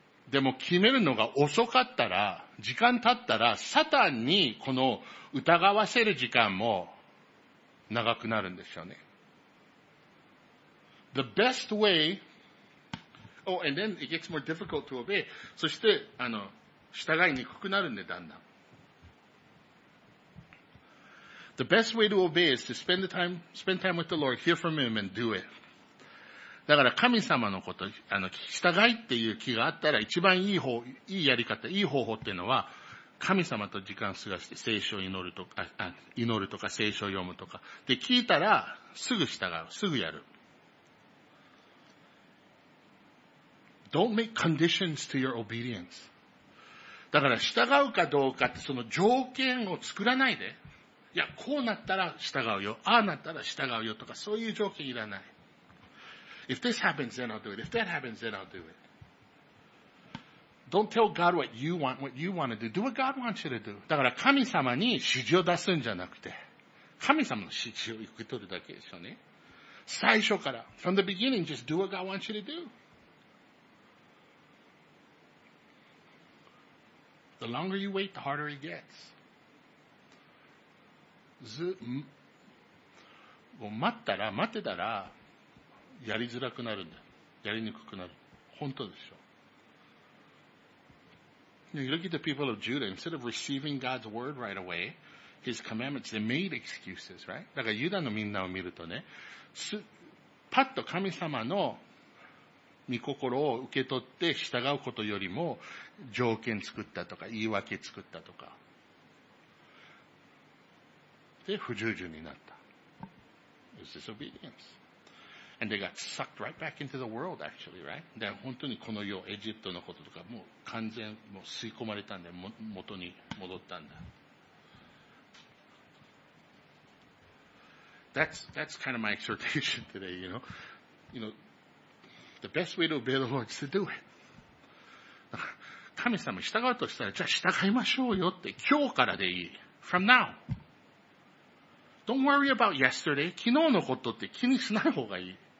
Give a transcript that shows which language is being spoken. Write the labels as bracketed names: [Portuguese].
[Japanese] でも決めるのが遅かったら、時間経ったら、サタンにこの疑わせる時間も長くなるんですよね。 [English] The best way, oh, and then it gets more difficult to obey. [Japanese] そして、従いにくくなるんで、だんだん。 [English] The best way to obey is to spend time with the Lord, hear from Him and do it. [Japanese] だから神様のこと、従いっていう気があったら一番いい方、いいやり方、いい方法っていうのは、神様と時間を過ごして聖書を祈るとか、祈るとか聖書を読むとか。で、聞いたら、すぐ従う、すぐやる。 [English] Don't make conditions to your obedience. [Japanese] だから従うかどうかってその条件を作らないで。いや、こうなったら従うよ。ああなったら従うよとか、そういう条件いらない。 [English] If this happens, then I'll do it. If that happens, then I'll do it. Don't tell God what you want to do. Do what God wants you to do. [Japanese] だから神様に指示を出すんじゃなくて、神様の指示を受け取るだけでしょうね。最初から、 [English] from the beginning, just do what God wants you to do. The longer you wait, the harder it gets. [Japanese] ず、もう待ったら待ってたらやりづらくなるんだよ。やりにくくなる。本当でしょ。 [English] Now you look at the people of Judah, instead of receiving God's word right away, his commandments, they made excuses, right? [Japanese] だからユダのみんなを見るとね、パッと神様の御心を受け取って従うことよりも条件作ったとか言い訳作ったとか。で、不従順になった。 [English] It was disobedience. And they got sucked right back into the world, actually, right? [Japanese] で、本当にこの世、エジプトのこととか、もう完全、もう吸い込まれたんだよ。元に戻ったんだ。 [English] That's kind of my exhortation today, you know? You know, the best way to obey the Lord is to do it. [Japanese] 神様に従うとしたら、じゃあ従いましょうよって、今日からでいい。 [English] From now. Don't worry about yesterday. [Japanese] 昨日のことって気にしない方がいい。